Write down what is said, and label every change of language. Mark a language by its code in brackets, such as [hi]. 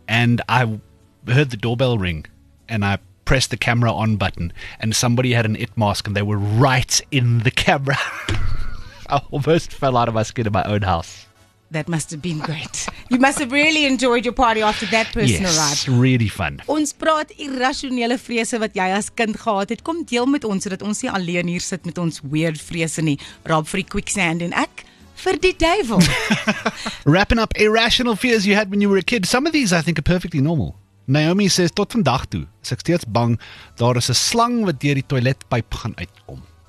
[en] And I heard the doorbell ring. And I pressed the camera on button and somebody had an It mask and they were right in the camera. I almost fell out of my skin in my own house. That must have been great. You must have really enjoyed your party after that person arrived. Yes, really fun. [af] Ons praat irrasionele vrese wat jy as kind gehad het. Kom deel met ons sodat ons nie alleen hier sit met ons weird vrese nie. Rob vir die quicksand en ek... [en] for the devil. Wrapping up irrational fears you had when you were a kid. Some of these I think are perfectly normal. Naomi says, [af] tot vandag toe, is ek steeds bang, daar is 'n slang wat deur die toiletpyp gaan uitkom.